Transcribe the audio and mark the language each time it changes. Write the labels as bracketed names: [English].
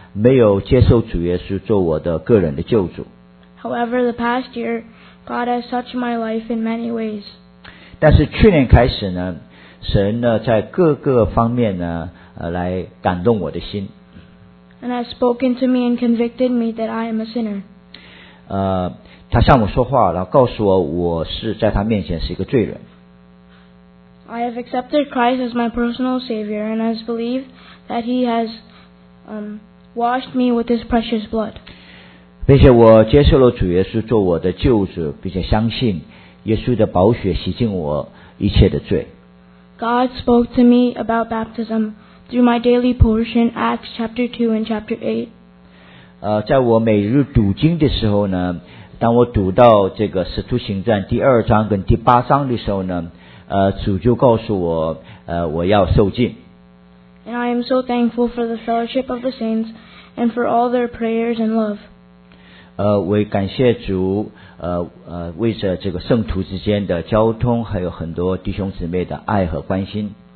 [Chinese] 没有接受主耶稣做我的个人的救主。 [English] However, the past year, God has touched my life in many ways. [Chinese] 但是去年开始呢，神呢在各个方面呢来感动我的心。 [English] And has spoken to me and convicted me that I am a sinner. [Chinese] 他向我说话，然后告诉我我是在他面前是一个罪人。 [English] I have accepted Christ as my personal savior and has believed that he has, washed me with his precious blood. [Chinese] 并且我接受了主耶稣做我的救主，并且相信耶稣的宝血洗净我一切的罪。 [English] God spoke to me about baptism through my daily portion, Acts chapter 2 and chapter 8. [Chinese] 在我每日读经的时候呢，当我读到这个《使徒行传》第二章跟第八章的时候呢，主就告诉我，我要受浸。 [English] And I am so thankful for the fellowship of the saints and for all their prayers and love. [Chinese] 我感谢主，为着这个圣徒之间的交通，还有很多弟兄姊妹的爱和关心。